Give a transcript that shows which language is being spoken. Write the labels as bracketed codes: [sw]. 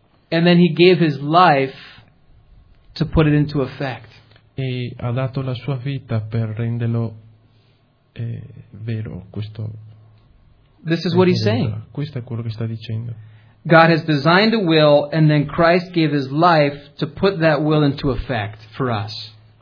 [en] And then he gave his life to put it into effect. [it] E ha dato la sua vita per renderlo vero questo. [en] This is what he's saying. [it] Questo è quello che sta dicendo. [en] God has designed a will and then Christ gave his life to put that will into effect for us.